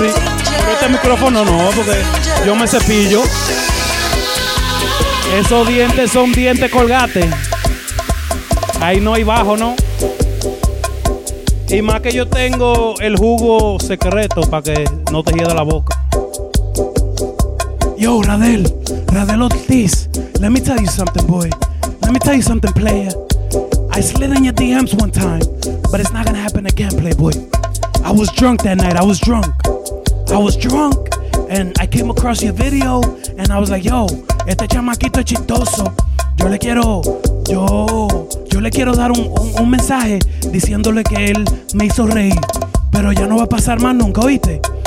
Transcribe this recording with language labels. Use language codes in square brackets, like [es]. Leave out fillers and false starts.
[es] Pero este micrófono no, porque yo me cepillo. Esos dientes son dientes colgate. Ahí no hay bajo, ¿no? Y más que yo tengo el jugo secreto para que no te hiera la boca. [en] Yo, Radel, Radel Ortiz, let me tell you something, boy. Let me tell you something, player. I slid in your DMs one time, but it's not gonna happen again, playboy. I was drunk that night, I was drunk. I was drunk, and I came across your video, and I was like, yo, [es] este chamaquito es chistoso. Yo le quiero dar un mensaje diciéndole que él me hizo reír, pero ya no va a pasar más nunca, ¿oíste?